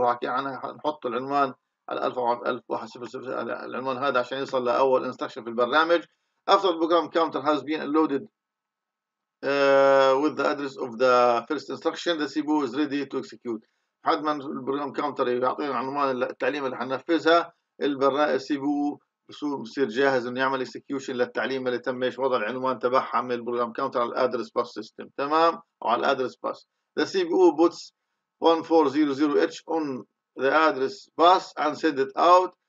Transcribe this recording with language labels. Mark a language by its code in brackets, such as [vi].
[ar] اللي هو حكي عنها نحط العنوان على 1000 العنوان هذا عشان يصل لأول instruction في البرنامج. [en] After the program counter has been loaded with the address of the first instruction, the CPU is ready to execute. [ar] بعد ما البروجرام كاونتر يعطينا عنوان التعليم اللي حننفذها، CPU بصير جاهز انه يعمل اكسكيوشن للتعليم اللي تم ايش وضع العنوان تبعها من البروجرام كاونتر على الادرس باس سيستم. [en] تمام، وعلى الادرس bus the C P U puts 1400H on the address bus and send it out.